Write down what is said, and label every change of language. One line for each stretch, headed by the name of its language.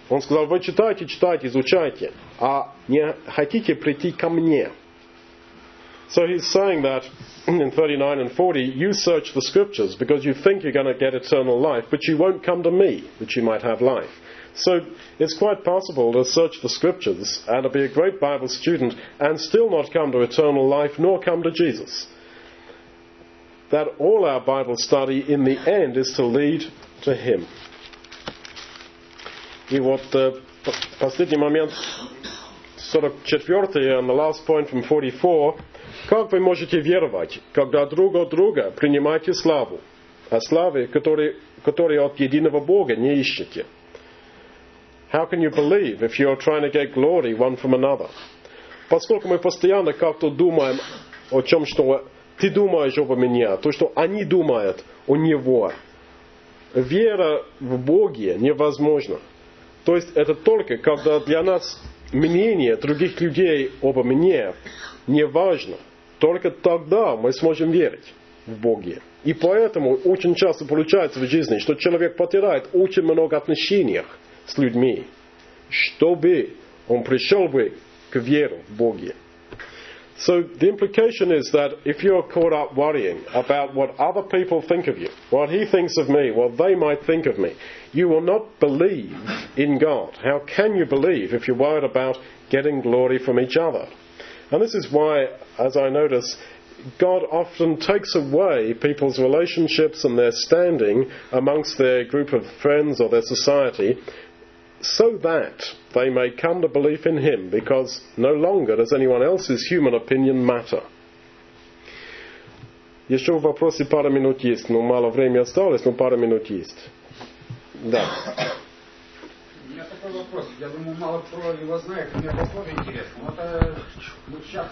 Russian: Он сказал, вы читайте, читайте, изучайте, а не хотите прийти ко мне.
English: So he's saying that in 39 and 40, you search the scriptures because you think you're going to get eternal life, but you won't come to me that you might have life. So it's quite possible to search the scriptures and to be a great Bible student and still not come to eternal life nor come to Jesus. That all our Bible study in the end is to lead to him.
Russian: И вот последний момент, 44-й,
English: and the last point from 44,
Russian: как вы можете веровать, когда друг от друга принимаете славу, а славы, которые от единого Бога не ищете?
English: How can you believe if you're trying to get glory one from another?
Russian: Поскольку мы постоянно как-то думаем о чем, что ты думаешь обо меня, то, что они думают о него. Вера в Бога невозможна. То есть это только когда для нас мнение других людей обо мне не важно. Только тогда мы сможем верить в Бога. И поэтому очень часто получается в жизни, что человек потеряет очень много отношений с людьми, чтобы он пришел бы к вере в Бога.
English: So the implication is that if you're caught up worrying about what other people think of you, what he thinks of me, what they might think of me, you will not believe in God. How can you believe if you're worried about getting glory from each other? And this is why, as I notice, God often takes away people's relationships and their standing amongst their group of friends or their society so that they may come to belief in him, because no longer does anyone else's human opinion matter.
Russian: Еще вопросы, пара минут есть. Ну, мало времени осталось, но пара минут есть. Да. У меня такой вопрос. Я думаю, мало кто его знает. Мне такой интересно. Вот сейчас...